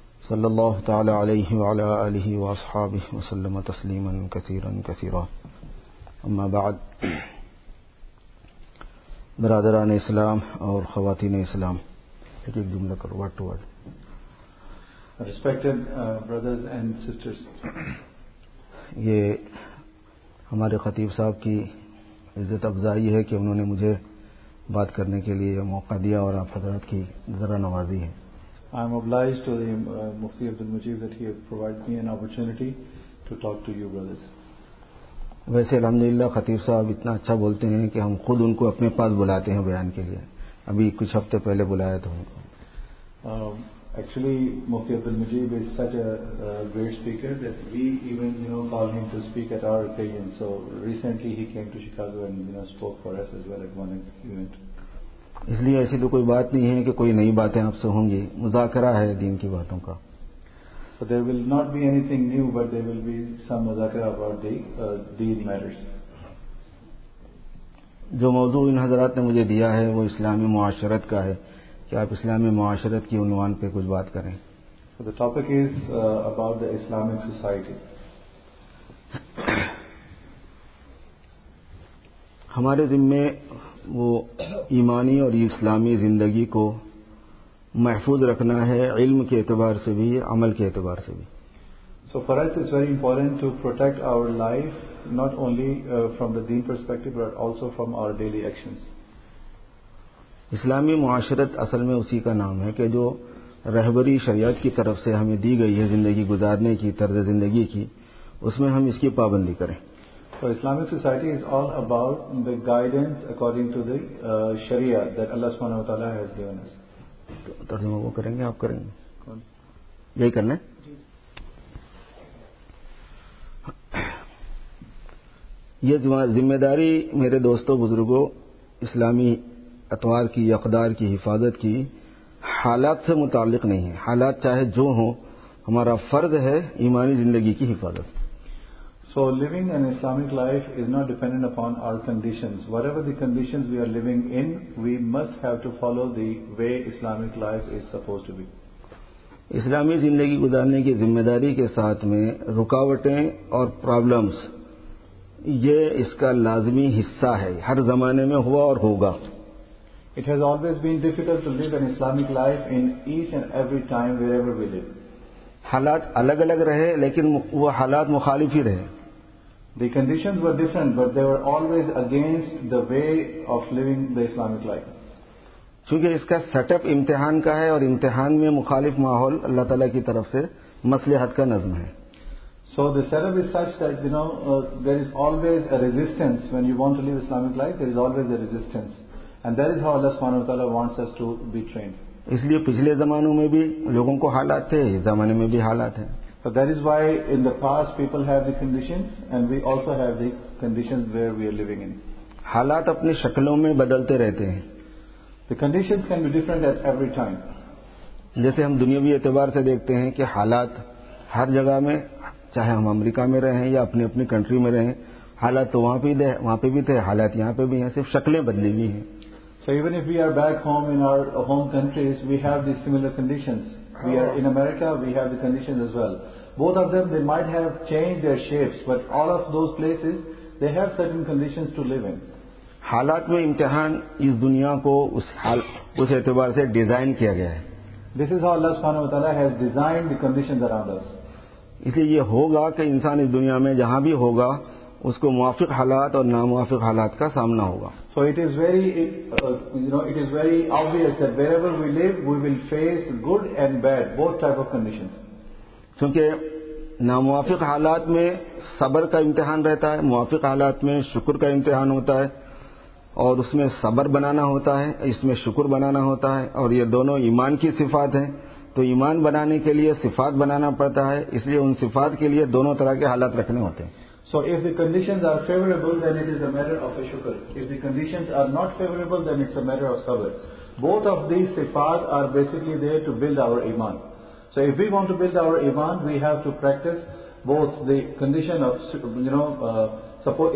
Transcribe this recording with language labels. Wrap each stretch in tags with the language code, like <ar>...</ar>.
<ar>صلى الله تعالى عليه وعلى آله وأصحابه وسلم تسليما كثيرا كثيرا أما بعد</ar> <ur>برادران اسلام اور خواتین اسلام ایک ایک جملہ کرو word to word</ur> <en>respected brothers and sisters</en> <ur>یہ ہمارے خطیب صاحب کی عزت افزائی ہے کہ انہوں نے مجھے بات کرنے کے لیے موقع دیا اور آپ حضرات کی ذرا نوازی ہے</ur> <en>I am obliged to the Mufti Abdul Majeed that he has provide me an opportunity to talk to you brothers</en> <ur>ویسے الحمدللہ خطیب صاحب اتنا اچھا بولتے ہیں کہ ہم خود ان کو اپنے پاس بلاتے ہیں بیان کے لیے ابھی کچھ ہفتے پہلے بلایا تھا ان کو</ur> <en>actually Mufti Abdul Mujeeb is such a great speaker that we even you know call ہم to speak at our occasion so recently he came to Chicago and you know spoke for us as well at one event</en> <ur>اس لیے ایسی تو کوئی بات نہیں ہے کہ کوئی نئی باتیں آپ سے ہوں گی مذاکرہ ہے دین کی باتوں کا</ur> <en>So there will not be anything new, but there will be some mazakara about the deen matters.</en> <ur>جو موضوع ان حضرات نے مجھے دیا ہے وہ اسلامی معاشرت کا ہے کہ آپ اسلامی معاشرت کی عنوان پہ کچھ بات کریں</ur> <en>So the topic is about the Islamic society.</en> <ur>ہمارے ذمے وہ ایمانی اور اسلامی زندگی کو محفوظ رکھنا ہے علم کے اعتبار سے بھی عمل کے اعتبار سے بھی</ur> <en>so for us it's very important to protect our life not only from the deen perspective but also from our daily actions</en> <ur>اسلامی معاشرت اصل میں اسی کا نام ہے کہ جو رہبری شریعت کی طرف سے ہمیں دی گئی ہے زندگی گزارنے کی طرز زندگی کی اس میں ہم اس کی پابندی کریں</ur> <en>So Islamic society is all about the guidance according to the Sharia that Allah subhanahu wa ta'ala has given us.</en> <ur>ترجمہ وہ کریں گے آپ کریں گے یہی کرنا ہے یہ ذمہ داری میرے دوستوں بزرگوں اسلامی اتوار کی اقدار کی حفاظت کی حالات سے متعلق نہیں ہے حالات چاہے جو ہوں ہمارا فرض ہے ایمانی زندگی کی حفاظت</ur> <en>so living an Islamic life is not dependent upon our conditions whatever the conditions we are living in we must have to follow the way Islamic life is suppose to be</en> <ur>اسلامی زندگی گزارنے کی ذمہ داری کے ساتھ میں رکاوٹیں اور پرابلمس یہ اس کا لازمی حصہ ہے ہر زمانے میں ہوا اور ہوگا</ur> <en>it has always been difficult to live an Islamic life in each and every time wherever we live</en> <ur>حالات الگ الگ رہے لیکن وہ حالات مخالف ہی رہے</ur> <en>The conditions were different, but they were always against the way of living the Islamic life.</en> <ur>چونکہ اس کا سیٹ اپ امتحان کا ہے اور امتحان میں مخالف ماحول اللہ تعالیٰ کی طرف سے مصلحت کا نظم ہے</ur> <en>So the setup is such that, you know, there is always a resistance when you want to live Islamic life, there is always a resistance. And that is how Allah subhanahu wa ta'ala wants us to be trained.</en> <ur>اس لیے پچھلے زمانوں میں بھی لوگوں کو حالات تھے اس زمانے میں بھی حالات ہیں</ur> <en>So that is why in the past people have the conditions and we also have the conditions where we are living in.</en> <ur>حالات اپنی شکلوں میں بدلتے رہتے ہیں.</ur> <en>The conditions can be different at every time.</en> <ur>جیسے ہم دنیاوی اعتبار سے دیکھتے ہیں کہ حالات ہر جگہ میں چاہے ہم امریکہ میں رہیں یا اپنی اپنی کنٹری میں رہیں حالات تو وہاں پہ بھی تھے حالات یہاں پہ بھی ہیں صرف شکلیں بدلی ہوئی ہیں.</ur> <en>So even if we are back home in our home countries we have these similar conditions. We are in America, we have the conditions as well. Both of them, they might have changed their shapes, but all of those places, they have certain conditions to live in.</en> <ur>حالات میں امتحان اس دنیا کو اس اعتبار سے design کیا گیا ہے.</ur> <en>This is how Allah subhanahu wa ta'ala has designed the conditions around us.</en> <ur>اس لیے یہ ہوگا کہ انسان اس دنیا میں جہاں بھی ہوگا اس کو موافق حالات اور ناموافق حالات کا سامنا ہوگا</ur> <en>so it is very you know it is very obvious that wherever we live we will face good and bad both type of condition</en> <ur>کیونکہ ناموافق حالات میں صبر کا امتحان رہتا ہے موافق حالات میں شکر کا امتحان ہوتا ہے اور اس میں صبر بنانا ہوتا ہے اس میں شکر بنانا ہوتا ہے اور یہ دونوں ایمان کی صفات ہیں تو ایمان بنانے کے لیے صفات بنانا پڑتا ہے اس لیے ان صفات کے لیے دونوں طرح کے حالات رکھنے ہوتے ہیں</ur> <en>So if the conditions are favorable, then it is a matter of a shukr. If the conditions are not favorable, then it's a matter of sabr. Both of these sifat are basically there to build our iman. So if we want to build our iman, we have to practice both the condition of, you know, support.</en>